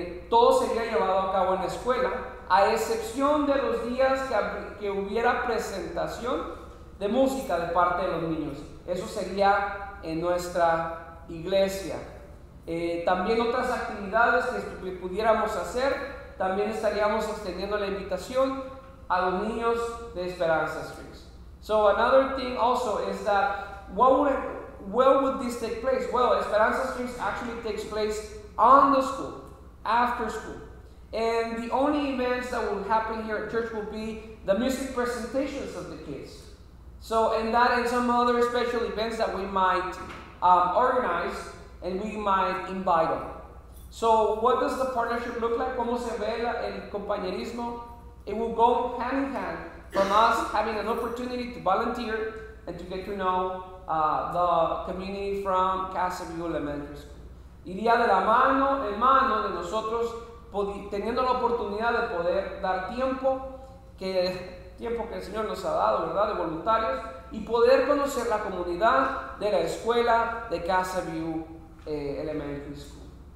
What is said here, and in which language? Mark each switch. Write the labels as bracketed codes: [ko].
[es] Todo sería llevado a cabo en la escuela, a excepción de los días que hubiera presentación de música de parte de los niños. Eso sería en nuestra iglesia. También otras actividades que pudiéramos hacer, también estaríamos extendiendo la invitación a los niños de Esperanza Springs. [en] So another thing also is that where would this take place? Well, Esperanza Springs actually takes place on the school, after school. And the only events that will happen here at church will be the music presentations of the kids. So and that and some other special events that we might organize and we might invite them. So what does the partnership look like? [es] ¿Cómo se ve el compañerismo? [en] It will go hand in hand from us having an opportunity to volunteer and to get to know the community from Casa View Elementary School. [es] Iría de la mano en mano de nosotros teniendo la oportunidad de poder dar tiempo que el Señor nos ha dado, ¿verdad?, de voluntarios, y poder conocer la comunidad de la escuela de Casa View Elementary School.